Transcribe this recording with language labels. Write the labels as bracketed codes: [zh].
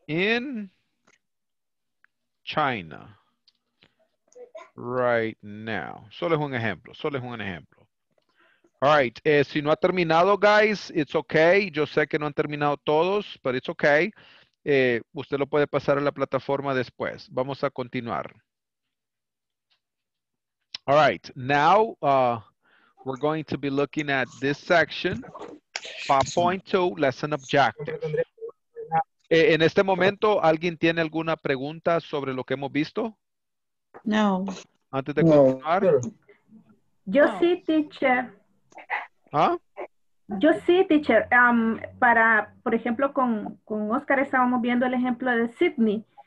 [en] in China, right now. [es] Solo es un ejemplo. [en] All right, [es] si no ha terminado, guys, [en] it's okay. [es] Yo sé que no han terminado todos, [en] but it's okay. [es] Usted lo puede pasar a la plataforma después. Vamos a continuar. [en] All right, now we're going to be looking at this section, 5.2, lesson objective. [es] En este momento, ¿alguien tiene alguna pregunta sobre lo que hemos visto? No. Antes de continuar. Yo sí, teacher. ¿Ah? Yo sí, teacher. Para, por ejemplo, con Oscar estábamos viendo el ejemplo de Sydney.